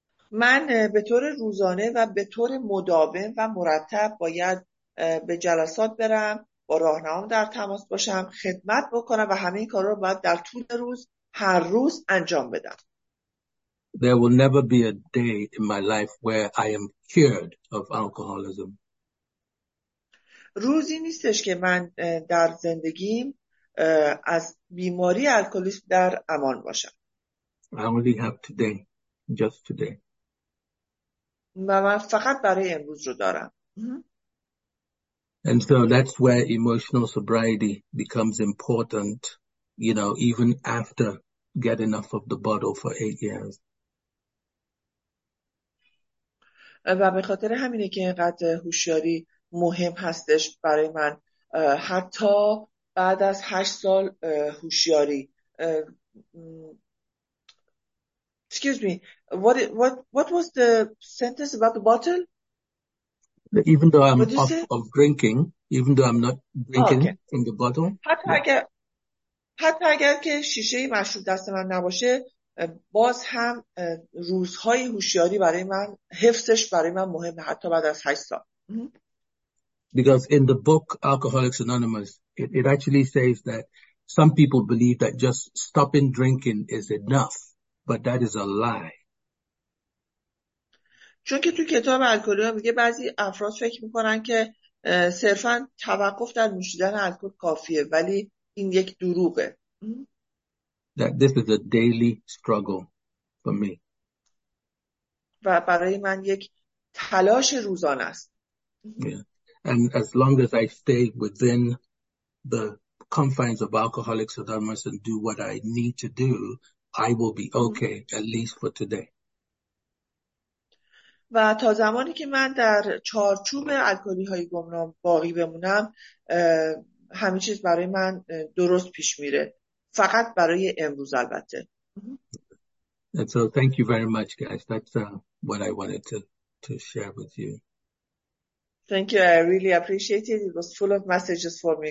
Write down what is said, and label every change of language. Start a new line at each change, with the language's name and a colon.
Persian: من به طور روزانه و به طور مداوم و مرتب باید به جلسات برم، با راهنمام در تماس باشم، خدمت بکنم و همه این کارا رو باید در طول روز هر روز انجام بدم.
English: There will never be a day in my life where I am cured of alcoholism.
Persian: روزی نیستش که من در زندگیم از بیماری الکلیسم در امان باشم.
English: I only have today, just today.
Persian: من فقط برای امروز رو دارم.
English: And so that's where emotional sobriety becomes important, you know, even after get enough of the bottle for 8 years.
Persian: و به خاطر همینه که اینقدر هوشیاری مهم هستش برای من، حتی بعد از 8 سال هوشیاری.
English: Excuse me, what was the sentence about the bottle? Even though I'm off of drinking, even though I'm not drinking from the bottle.
Persian: حتی اگر حتی اگر که شیشه مشروب دست من نباشه، باز هم روزهای هوشیاری برای من، حفظش برای من مهمه حتی بعد از 8 سال.
English: Because in the book Alcoholics Anonymous, it actually says that some people believe that just stopping drinking is enough, but that is a lie.
Persian: چون که تو کتاب الکلی میگه بعضی افراد فکر میکنن که صرفا توقف در نوشیدن الکل کافیه، ولی این یک دروغه.
English: That this is a daily struggle for me.
Persian: و برای من یک تلاش روزانه است.
English: Yeah. And as long as I stay within the confines of Alcoholics Anonymous and do what I need to do, I will be okay, at least for today.
Persian: و تا زمانی که من در چارچوب الکلی های گمنام باقی بمونم، همه چیز برای من درست پیش میره، فقط برای امروز البته.
English: And so thank you very much, guys. That's what I wanted to share with you. Thank you. I really appreciate it. It was full of messages for me.